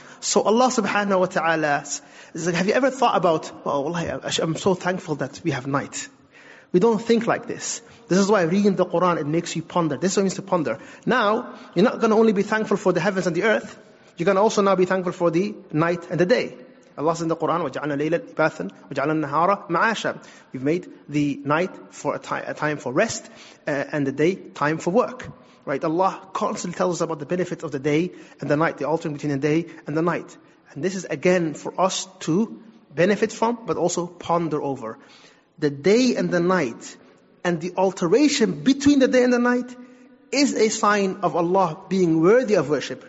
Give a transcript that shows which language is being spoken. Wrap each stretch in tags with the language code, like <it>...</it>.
<en>So Allah subhanahu wa ta'ala is like, have you ever thought about, I'm so thankful that we have night. We don't think like this. This is why reading the Quran, it makes you ponder. This is what means to ponder. Now, you're not going to only be thankful for the heavens and the earth. You're going to also now be thankful for the night and the day. Allah says in the Quran,</en> <ar>وَجَعَلْنَا لَيْلَ إِبَاثًا وَجَعَلْنَا النَّهَارَ مَعَاشًا.</ar> <en>We've made the night for a time for rest and the day time for work. Right? Allah constantly tells us about the benefits of the day and the night, the altering between the day and the night. And this is again for us to benefit from, but also ponder over. The day and the night and the alteration between the day and the night is a sign of Allah being worthy of worship.</en>